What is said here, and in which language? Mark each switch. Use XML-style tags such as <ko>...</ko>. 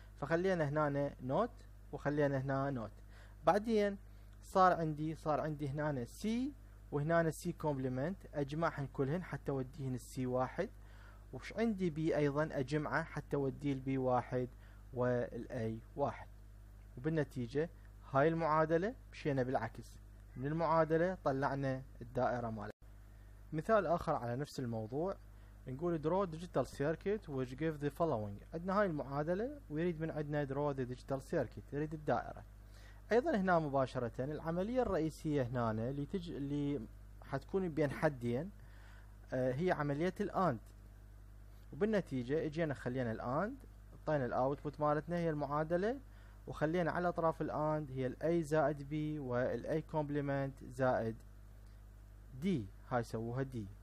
<ar>فخلينا هنا نوت وخلينا هنا نوت، بعدين صار عندي هنا سي وهنا سي كومبليمنت، اجمعهن كلهن حتى اوديهن السي واحد، وش عندي بي ايضا اجمعه حتى اوديه البي واحد والاي واحد. وبالنتيجة هاي المعادلة مشينا بالعكس من المعادلة، طلعنا الدائرة مالها. مثال اخر على نفس الموضوع، نقول</ar> <en>draw digital circuit which give the following.</en> <ar>عندنا هاي المعادلة ويريد من عندنا</ar> <en>draw the digital circuit،</en> <ar>يريد الدائرة. ايضا هنا مباشرة العملية الرئيسية هنا اللي حتكون بين حدين هي عملية الاند. وبالنتيجة اجينا خلينا الاند، اعطينا الاوتبوت مالتنا هي المعادلة، وخلينا على اطراف الاند هي الـ a زائد b والـ a complement زائد d، هاي سووها d.</ar>